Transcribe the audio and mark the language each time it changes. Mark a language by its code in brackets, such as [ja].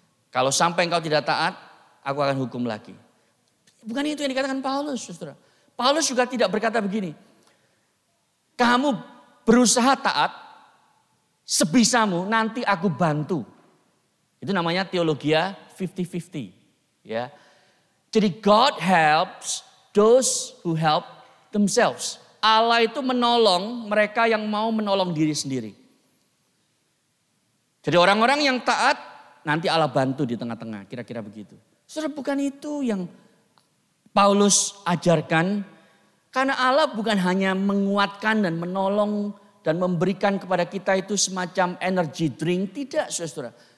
[id] Kalau sampai engkau tidak taat, aku akan hukum lagi. Bukan itu yang dikatakan Paulus, Saudara. Paulus juga tidak berkata begini. Kamu berusaha taat sebisamu, nanti aku bantu. Itu namanya teologia 50-50. Ya. Jadi [en] God helps those who help themselves. [id] Allah itu menolong mereka yang mau menolong diri sendiri. Jadi orang-orang yang taat, nanti Allah bantu di tengah-tengah. Kira-kira begitu. Saudara, bukan itu yang Paulus ajarkan. Karena Allah bukan hanya menguatkan dan menolong dan memberikan kepada kita itu semacam energy drink. Tidak, saudara.